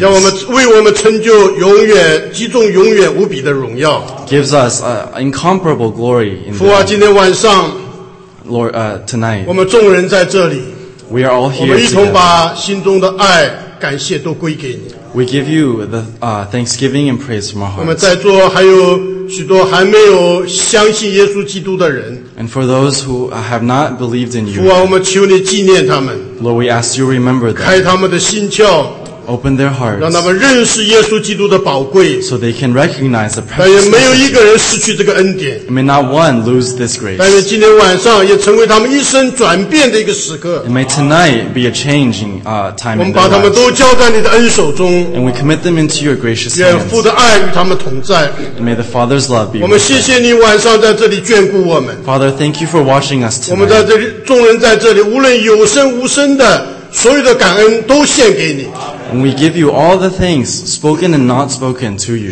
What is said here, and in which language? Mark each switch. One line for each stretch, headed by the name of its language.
Chinese: 让我们为我们成就永远击中永远无比的荣耀。
English: Gives us incomparable glory.
Chinese: 父啊，今天晚上
English: ，Lord, tonight.
Chinese: 我们众人在这里
English: ，We are all here.
Chinese: 我们一同把心中的爱、感谢都归给你。
English: We give you the thanksgiving and praise from our hearts.
Chinese: 我们在座还有许多还没有相信耶稣基督的人。
English: And for those who have not believed in you.
Chinese: 父啊，我们求你纪念他们。
English: Lord, we ask you remember them.
Chinese: 开他们的心窍。
English: Open their hearts.
Chinese: 让他们认识耶稣基督的宝贵。
English: So they can recognize the precious.
Chinese: 但也没有一个人失去这个恩典。
English: May not one lose this grace.
Chinese: 但是今天晚上也成为他们一生转变的一个时刻。
English: And may tonight be a changing time.
Chinese: 我们把他们都交在你的恩手中。
English: And we commit them into your gracious hands.
Chinese: 愿父的爱与他们同在。
English: And may the Father's love be with
Chinese: us. 我们谢谢你晚上在这里眷顾我们。
English: Father, thank you for watching us tonight.
Chinese: 我们在这里，众人在这里，无论有声无声的。所有的感恩都献给你。
English: And we give you all the things spoken and not spoken to you.